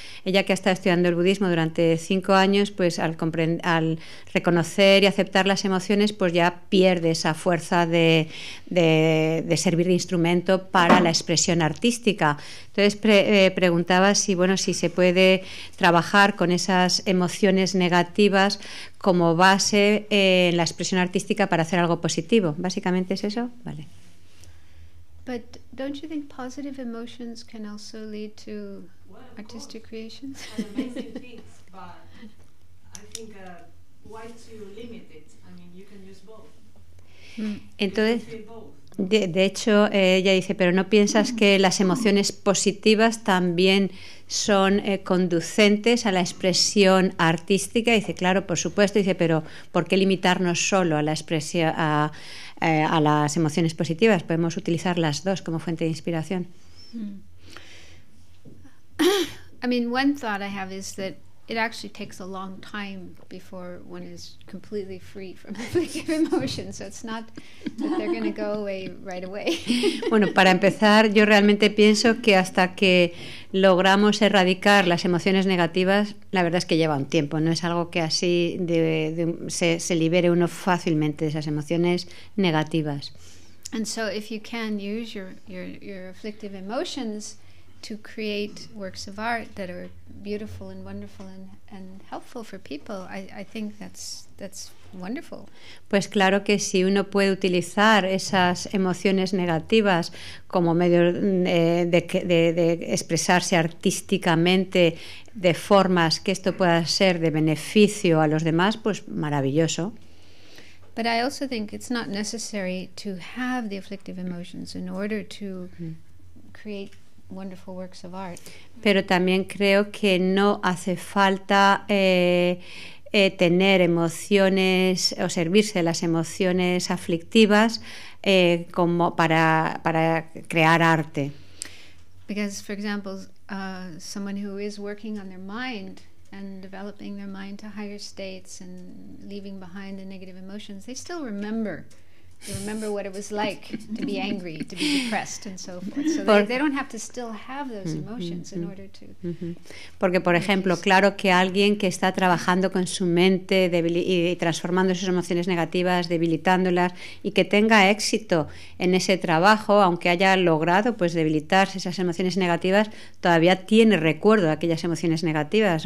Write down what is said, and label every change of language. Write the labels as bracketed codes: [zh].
[es] Ella, que ha estado estudiando el budismo durante 5 años, pues al reconocer y aceptar las emociones, pues ya pierde esa fuerza de servir de instrumento para la expresión artística. Entonces preguntaba si se puede trabajar con esas emociones negativas como base en la expresión artística para hacer algo positivo. ¿Básicamente es eso? Vale. [en] But don't you think positive emotions can also lead to artistic creations? Amazing things, but I think why to limit it? I mean, you can use both. [es] Entonces, de hecho, ella dice, pero ¿no piensas que las emociones positivas también son conducentes a la expresión artística? Dice, claro, por supuesto. Dice, pero ¿por qué limitarnos solo a la expresión a las emociones positivas? Podemos utilizar las dos como fuente de inspiración. [en] I mean, one thought I have is that it actually takes a long time before one is completely free from afflictive emotions. So it's not that they're going to go away right away. [es] Bueno, para empezar, yo realmente pienso que hasta que logramos erradicar las emociones negativas, la verdad es que lleva un tiempo. No es algo que así se libere uno fácilmente de esas emociones negativas. [en] And so if you can use your afflictive emotions to create works of art that are beautiful and wonderful and helpful for people, I think that's wonderful. [es] Pues claro que si uno puede utilizar esas emociones negativas como medio de expresarse artísticamente de formas que esto pueda ser de beneficio a los demás, pues maravilloso. [en] But I also think it's not necessary to have the afflictive emotions in order to create wonderful works of art. [es] Pero también creo que no hace falta tener emociones o servirse de las emociones aflictivas como para crear arte. [en] Because, for example, someone who is working on their mind and developing their mind to higher states and leaving behind the negative emotions, they still remember. You remember what it was like to be angry, to be depressed, and so forth. So they don't have to still have those emotions in order to. [es] Porque, por ejemplo, claro que alguien que está trabajando con su mente y transformando sus emociones negativas, debilitándolas, y que tenga éxito en ese trabajo, aunque haya logrado pues debilitarse esas emociones negativas, todavía tiene recuerdo de aquellas emociones negativas.